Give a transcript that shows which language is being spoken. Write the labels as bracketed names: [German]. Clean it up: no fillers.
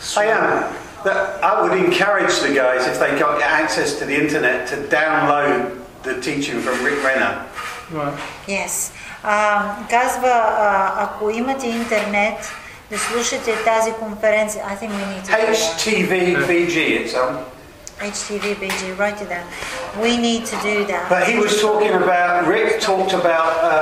[English] I would encourage the guys, if they got access to the internet, to download the teaching from Rick Renner. Right. Yes. [Bulgarian] Казва, ако имате интернет, да слушате тази конференция, [English] I think we need to... HTVBG, it's on. HTVBG, write it down. We need to do that. But he was talking about, Rick talked about